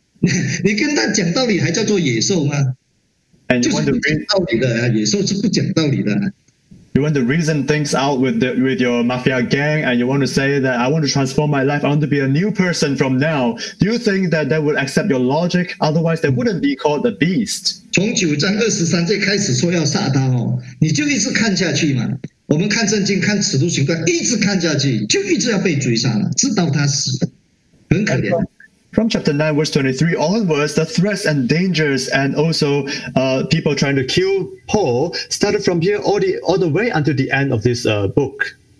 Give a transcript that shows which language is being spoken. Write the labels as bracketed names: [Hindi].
[Chinese] 你说哎呀，我要过一个新的生活了，我要重新要做一个善良的人呢，我重新要有怎么样怎么样？你跟他讲道理，他还叫做黑社会吗？你跟他讲道理，还叫做野兽吗？ [English] And you want to bring out [Chinese] 道理的，野兽是不讲道理的。 [English] You want to reason things out with your mafia gang, and you want to say that I want to transform my life, I want to be a new person from now. Do you think that they would accept your logic? Otherwise, they wouldn't be called the beast. [Chinese] 从九章二十三节开始说要杀他哦，你就一直看下去嘛。我们看圣经，看使徒行传，一直看下去，就一直要被追杀了，直到他死，很可怜。 [English] From chapter 9, verse 23 onwards, the threats and dangers and also people trying to kill Paul started from here all the way until the end of this book.